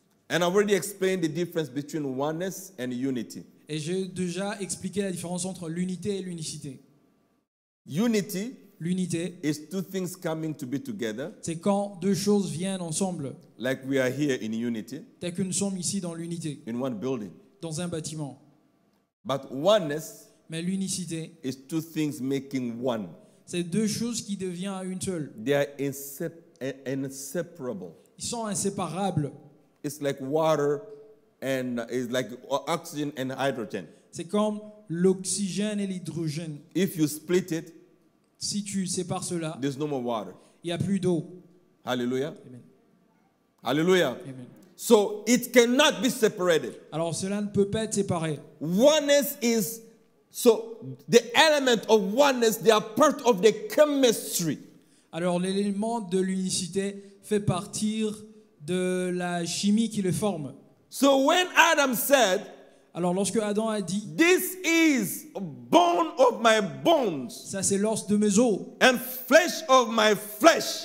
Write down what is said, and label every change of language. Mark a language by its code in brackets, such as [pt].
[en] And I've already explained the difference between oneness and unity. [fr] Et j'ai déjà expliqué la différence entre l'unité et l'unicité. [en] Unity, [fr] l'unité, [en] is two things coming to be together. [fr] C'est quand deux choses viennent ensemble. [en] Like we are here in unity. [fr] Tel que nous sommes ici dans l'unité. [en] In one building. [fr] Dans un bâtiment. [en] But oneness, [fr] mais l'unicité, [en] is two things making one. [fr] C'est deux choses qui deviennent une seule. [en] They are inseparable. [fr] Ils sont inséparables. [en] It's like water and it's like oxygen and hydrogen. [fr] C'est comme l'oxygène et l'hydrogène. [en] If you split it, [fr] si tu sépares cela, [en] there's no more water. [fr] Il y a plus d'eau. [en] Hallelujah. Amen. Hallelujah. Amen. So it cannot be separated. [fr] Alors cela ne peut pas être séparé. [en] Oneness is, so the element of oneness, they are part of the chemistry. [fr] Alors l'élément de l'unicité fait partie de la chimie qui le forme. [en] So when Adam said, [fr] alors lorsque Adam a dit, [en] this is bone of my bones, [fr] ça c'est l'os de mes os, [en] and flesh of my flesh,